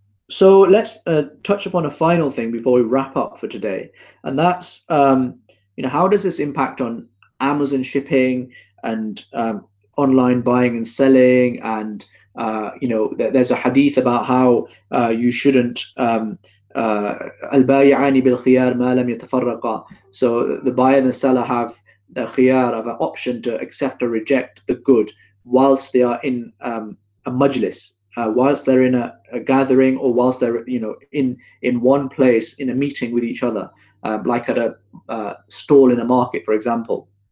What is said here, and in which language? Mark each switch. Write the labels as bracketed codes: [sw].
[en] So let's touch upon a final thing before we wrap up for today, and that's how does this impact on Amazon shipping and online buying and selling? And there's a hadith about how you shouldn't [ar] البايعان بالخيار ما لم يتفرقا. [en] So the buyer and the seller have the khiyar of an option to accept or reject the good whilst they are in a majlis, whilst they're in a gathering, or whilst they're, you know, in one place in a meeting with each other, like at a stall in a market, for example.